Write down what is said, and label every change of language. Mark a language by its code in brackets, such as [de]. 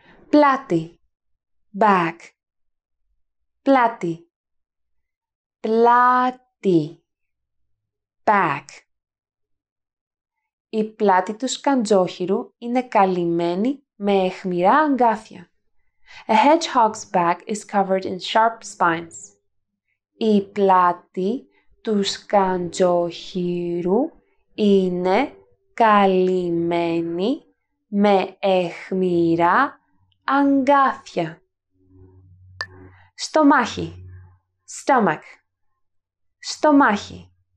[el] Πλάτη. [en] Back. [el] Πλάτη. Πλάτη. [en] Back. [el] Η πλάτη του σκαντζόχυρου είναι καλυμμένη με αιχμηρά αγκάθια. [en] A hedgehog's back is covered in sharp spines. [el] Η πλάτη του σκαντζόχυρου είναι καλυμμένη με αιχμηρά αγκάθια. Στομάχι. Stomach. Στομάχι.